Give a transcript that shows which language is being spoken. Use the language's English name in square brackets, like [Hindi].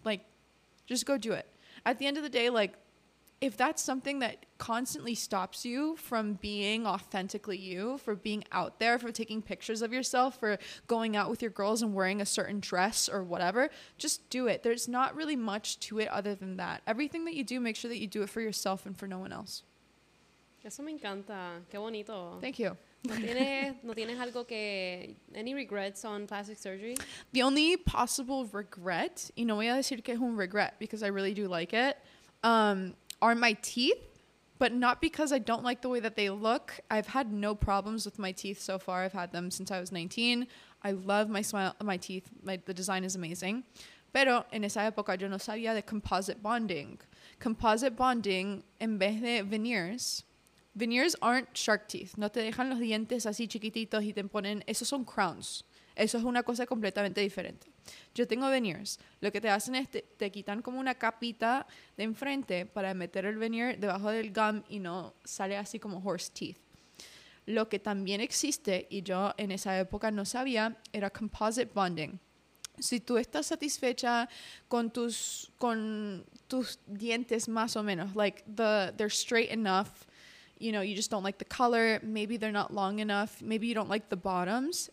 [English] Like, just go do it. At the end of the day, like, if that's something that constantly stops you from being authentically you, for being out there, for taking pictures of yourself, for going out with your girls and wearing a certain dress or whatever, just do it. There's not really much to it other than that. Everything that you do, make sure that you do it for yourself and for no one else. [Spanish] Eso me encanta. Qué bonito. [English] Thank you. [Spanish] ¿No tienes algo que, [English] any regrets on plastic surgery? The only possible regret, [Spanish] y no voy a decir que es un [English] regret, because I really do like it, are my teeth, but not because I don't like the way that they look. I've had no problems with my teeth so far. I've had them since I was 19. I love my smile, my teeth. The design is amazing. [Spanish] Pero en esa época yo no sabía de composite bonding. Composite bonding, en vez de veneers, [English] veneers aren't shark teeth. [Spanish] No te dejan los dientes así chiquititos y te ponen, esos son crowns. Eso es una cosa completamente diferente. Yo tengo veneers. Lo que te hacen es te quitan como una capita de enfrente para meter el veneer debajo del gum y no sale así como [English] horse teeth. [Spanish] Lo que también existe, y yo en esa época no sabía, era composite bonding. Si tú estás satisfecha con tus dientes más o menos, [English] like they're straight enough, you know, you just don't like the color, maybe they're not long enough, maybe you don't like the bottoms.